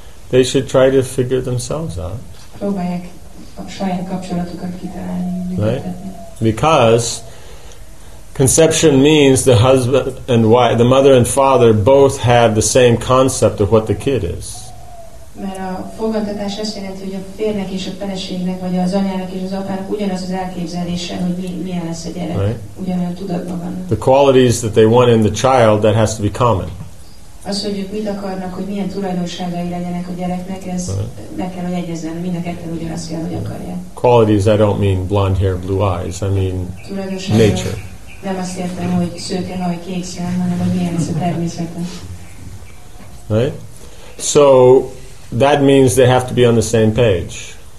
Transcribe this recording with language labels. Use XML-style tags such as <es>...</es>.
<en>They should try to figure themselves out. Right? Because conception means the husband and wife, the mother and father both have the same concept of what the kid is.</en> <hu>Mert a fogantatás azt jelenti, hogy a férnek és a feleségnek, vagy az anyának és az apának ugyanaz az elképzelése, hogy milyen lesz a gyerek.</hu> <en>Right.</en> <hu>Ugyanolyan tudatban van.</hu> <en>The qualities that they want in the child, that has to be common.</en> <hu>Az, hogy ők mit akarnak, hogy milyen tulajdonságai legyenek a gyereknek, ez</hu> <en>right.</en> <hu>Meg kell, hogy egyezzen, mind a ketten ugyanazt kell, hogy akarja.</hu> <en>Qualities, I don't mean blonde hair, blue eyes, I mean nature.</en> <hu>Nem azt értem, hogy szőke haj, kék szem, hanem hogy milyen lesz a természete.</hu> <en>Right? So, that means they have to be on the same page.</en>